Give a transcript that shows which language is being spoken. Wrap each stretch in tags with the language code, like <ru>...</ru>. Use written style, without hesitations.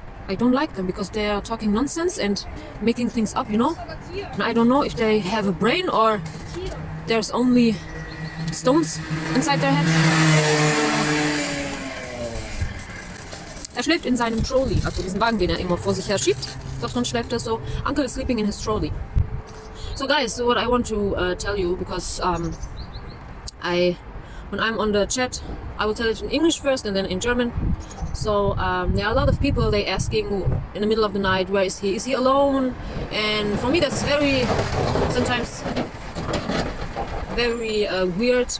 <en>I don't like them because they are talking nonsense and making things up, you know? And I don't know if they have a brain or there's only stones inside their head.</en> <de>Er schläft in seinem Trolley, also diesen Wagen, den er immer vor sich her schiebt. Doch dann schläft er so.</de> <en>Uncle is sleeping in his trolley. So guys, so what I want to tell you, because when I'm on the chat, I will tell it in English first and then in German. So there are a lot of people, they asking in the middle of the night, where is he? Is he alone? And for me, that's very, sometimes very weird.</en>